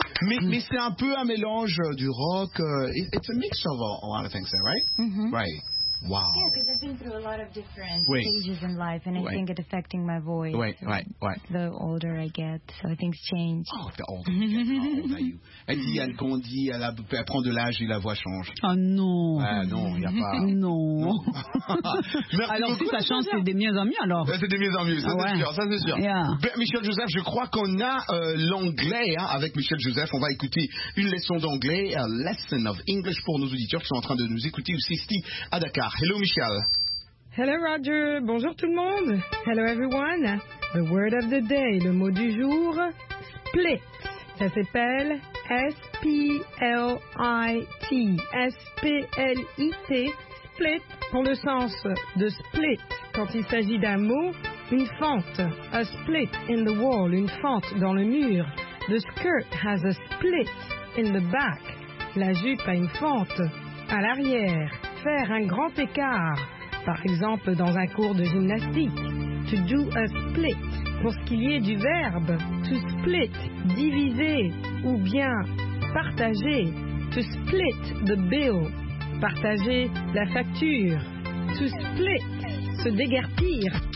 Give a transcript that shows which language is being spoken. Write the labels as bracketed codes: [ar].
[fr] Mais c'est un peu un mélange du rock. [en] It's a mix of a lot of things, right? Mm-hmm. Right. Wow. Yeah, because I've been through a lot of different stages in life, and I think it's affecting my voice. Right. The older I get, so things change. Oh, the older you get. [fr] Oh, elle grandit, elle prend de l'âge et la voix change. Oh non. Non, il n'y a pas. Non. Alors, si ça change, c'est de mieux en mieux, alors. C'est de mieux en mieux, ça c'est sûr. [en] Yeah. [fr] Michel Joseph, je crois qu'on a l'anglais avec Michel Joseph. On va écouter une leçon d'anglais, [en] a lesson of English [fr] pour nos auditeurs qui sont en train de nous écouter au Sisti à Dakar. [en] Hello, Michel. Hello, Roger. [fr] Bonjour tout le monde. [en] Hello, everyone. The word of the day, [fr] le mot du jour, [en] split. [fr] Ça s'appelle S-P-L-I-T. S-P-L-I-T. Split, pour le sens de split, quand il s'agit d'un mot, une fente, [en] a split in the wall, [fr] une fente dans le mur. [en] The skirt has a split in the back. [fr] La jupe a une fente à l'arrière. Faire un grand écart, par exemple dans un cours de gymnastique. [en] To do a split, [fr] pour ce qui est du verbe, to split, diviser ou bien partager. [en] To split the bill. [fr] Partager la facture, [en] to split, [fr] se déguerpir.